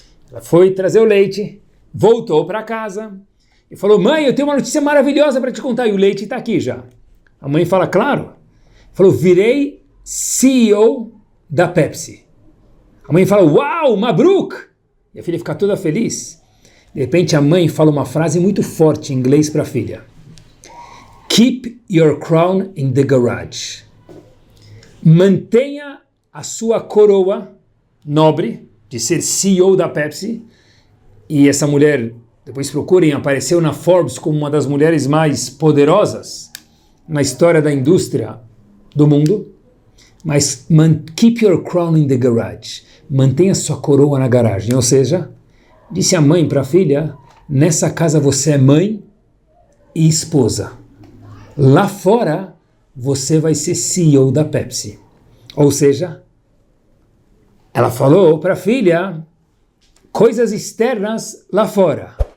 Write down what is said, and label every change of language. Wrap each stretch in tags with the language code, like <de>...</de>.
<pt>Ela foi trazer o leite, voltou para casa e falou, mãe, eu tenho uma notícia maravilhosa para te contar e o leite está aqui já. A mãe fala, claro. falou, virei CEO da Pepsi. A mãe fala, uau, Mabruk! E a filha fica toda feliz. De repente, a mãe fala uma frase muito forte em inglês para a filha.</pt> <en>Keep your crown in the garage.</en> <pt>Mantenha a sua coroa nobre de ser CEO da Pepsi. E essa mulher, depois procurem, apareceu na Forbes como uma das mulheres mais poderosas na história da indústria do mundo. Mas</pt> <en>keep your crown in the garage.</en> <pt>Mantenha sua coroa na garagem. Ou seja, disse a mãe para a filha, nessa casa você é mãe e esposa. Lá fora, você vai ser CEO da Pepsi. Ou seja, ela falou para a filha, coisas externas lá fora.</pt>